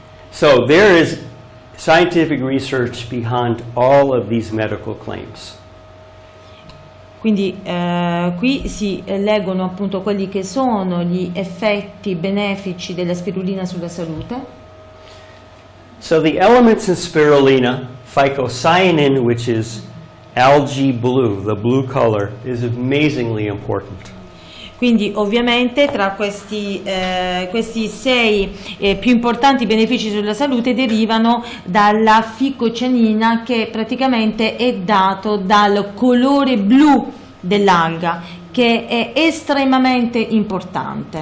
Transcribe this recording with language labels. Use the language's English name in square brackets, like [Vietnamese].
[English] So there is scientific research behind all of these medical claims. [Italian] Quindi qui si leggono appunto quelli che sono gli effetti benefici della spirulina sulla salute. [English] So the elements in spirulina, phycocyanin, which is algae blue, the blue color, is amazingly important. [Italian] Quindi ovviamente tra questi, questi sei più importanti benefici sulla salute derivano dalla ficocianina che praticamente è dato dal colore blu dell'alga che è estremamente importante.